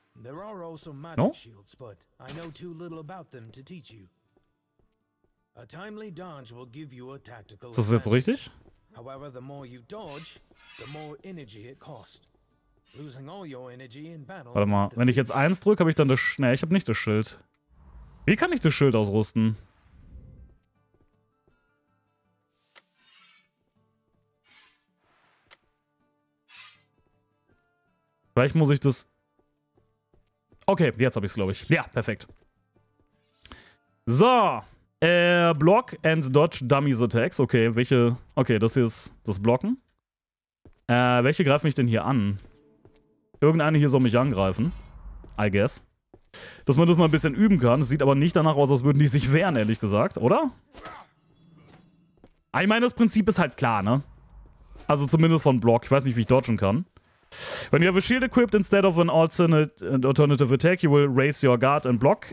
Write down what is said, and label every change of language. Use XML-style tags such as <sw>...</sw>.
<en>There are also magic shields, but I know too little about them to teach you. A timely dodge will give you a tactical advantage.</en> <de>Ist das jetzt richtig?</de> <en>However, the more you dodge, the more energy it costs. Losing all your energy in battle.</en> <de>Warte mal, wenn ich jetzt 1 drücke, habe ich dann das Schild. Ne, ich habe nicht das Schild. Wie kann ich das Schild ausrüsten? Vielleicht muss ich das... Okay, jetzt habe ich es, glaube ich. Ja, perfekt. So.</de> <en>Block and Dodge Dummies Attacks. Okay,</en> <de>welche... Okay, das hier ist das Blocken. Welche greift mich denn hier an? Irgendeine hier soll mich angreifen.</de> <en>I guess.</en> <de>Dass man das mal ein bisschen üben kann. Es sieht aber nicht danach aus, als würden die sich wehren, ehrlich gesagt. Oder? Ich meine, das Prinzip ist halt klar, ne? Also zumindest von Block. Ich weiß nicht, wie ich dodgen kann.</de> <en>When you have a shield equipped instead of an alternative attack, you will raise your guard and block.</en>